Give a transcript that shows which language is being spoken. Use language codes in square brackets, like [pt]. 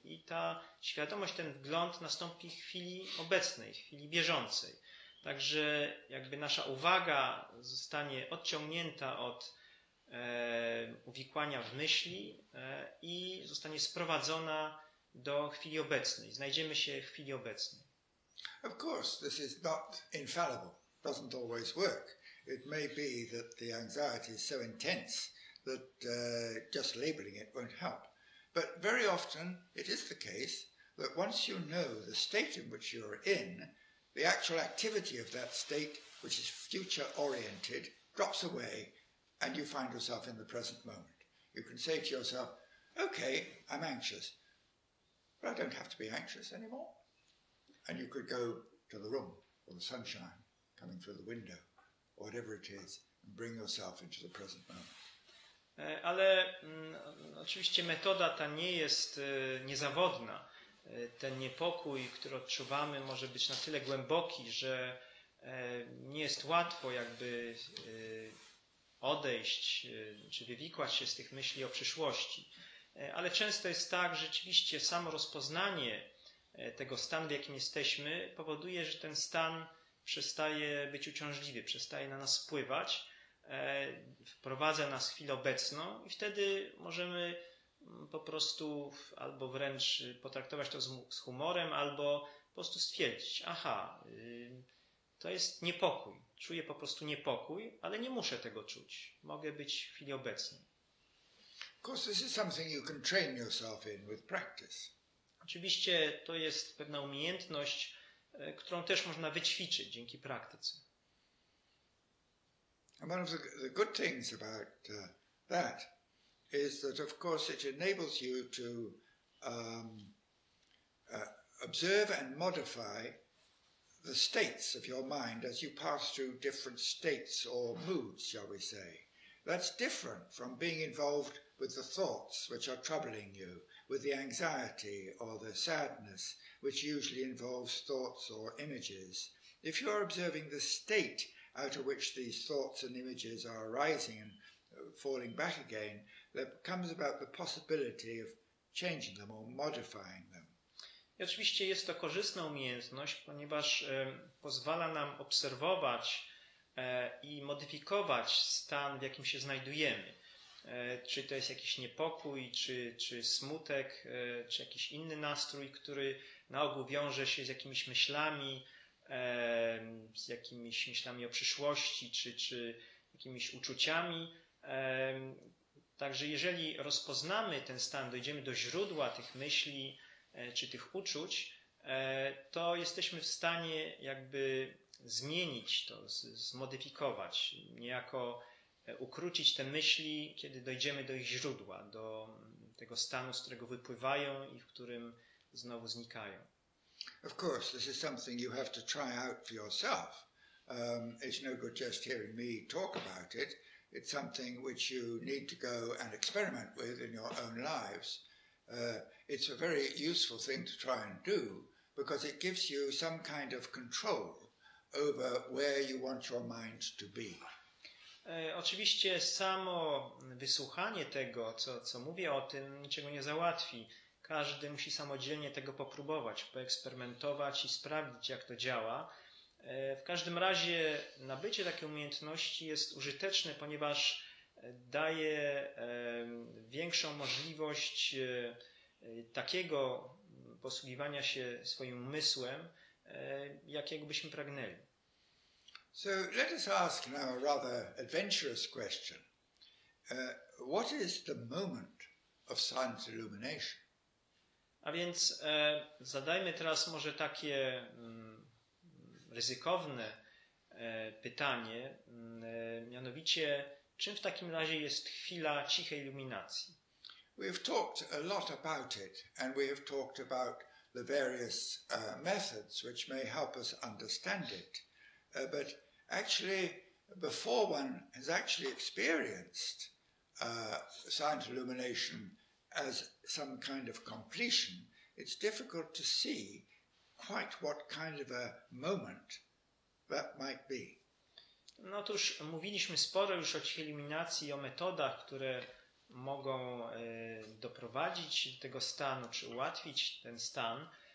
[pl] I ta świadomość, ten wgląd nastąpi w chwili obecnej, w chwili bieżącej. Także jakby nasza uwaga zostanie odciągnięta od uwikłania w myśli i zostanie sprowadzona do chwili obecnej. Znajdziemy się w chwili obecnej. [en] Of course, this is not infallible. It doesn't always work. It may be that the anxiety is so intense that just labeling it won't help. But very often it is the case that once you know the state in which you're in, the actual activity of that state, which is future-oriented, drops away, and you find yourself in the present moment. You can say to yourself, okay, I'm anxious, but I don't have to be anxious anymore. And you could go to the room, or the sunshine coming through the window, or whatever it is, and bring yourself into the present moment. [pl] Ale oczywiście metoda ta nie jest niezawodna. Ten niepokój, który odczuwamy, może być na tyle głęboki, że nie jest łatwo jakby odejść czy wywikłać się z tych myśli o przyszłości. Ale często jest tak, że rzeczywiście samo rozpoznanie tego stanu, w jakim jesteśmy, powoduje, że ten stan przestaje być uciążliwy, przestaje na nas wpływać. Wprowadza nas chwilę obecną i wtedy możemy po prostu albo wręcz potraktować to z humorem, albo po prostu stwierdzić, aha, to jest niepokój. Czuję po prostu niepokój, ale nie muszę tego czuć. Mogę być w chwili obecnej. [en] Of course, this is something you can train yourself in with practice. [pl] Oczywiście to jest pewna umiejętność, którą też można wyćwiczyć dzięki praktyce. [en] And one of the good things about that is that, of course, it enables you to observe and modify the states of your mind as you pass through different states or moods, shall we say. That's different from being involved with the thoughts which are troubling you, with the anxiety or the sadness, which usually involves thoughts or images. If you are observing the state out of which these thoughts and images are arising and falling back again, there comes about the possibility of changing them or modifying them. [pl] I oczywiście jest to korzystna umiejętność, ponieważ pozwala nam obserwować i modyfikować stan, w jakim się znajdujemy. Czy to jest jakiś niepokój, czy smutek, czy jakiś inny nastrój, który na ogół wiąże się z jakimiś myślami, z jakimiś myślami o przyszłości czy jakimiś uczuciami. Także jeżeli rozpoznamy ten stan, dojdziemy do źródła tych myśli czy tych uczuć, to jesteśmy w stanie jakby zmienić to, zmodyfikować, niejako ukrócić te myśli, kiedy dojdziemy do ich źródła, do tego stanu, z którego wypływają i w którym znowu znikają. [en] Of course, this is something you have to try out for yourself. It's no good just hearing me talk about it. It's something which you need to go and experiment with in your own lives. It's a very useful thing to try and do because it gives you some kind of control over where you want your mind to be. [pl] Oczywiście samo wysłuchanie tego, co mówię o tym, niczego nie załatwi. Każdy musi samodzielnie tego popróbować, poeksperymentować i sprawdzić, jak to działa. W każdym razie nabycie takiej umiejętności jest użyteczne, ponieważ daje większą możliwość takiego posługiwania się swoim umysłem, jakiego byśmy pragnęli. [en] So let us ask now a rather adventurous question. What is the moment of silent illumination? [pl] A więc zadajmy teraz może takie ryzykowne pytanie, mianowicie czym w takim razie jest chwila cichej iluminacji? [en] We have talked a lot about it and we have talked about the various methods which may help us understand it. But actually, before one has actually experienced silent illumination as some kind of completion, it's difficult to see quite what kind of a moment that might be. [pl] No otóż mówiliśmy sporo już o cichej iluminacji, o metodach, które mogą doprowadzić do tego stanu, czy ułatwić ten stan.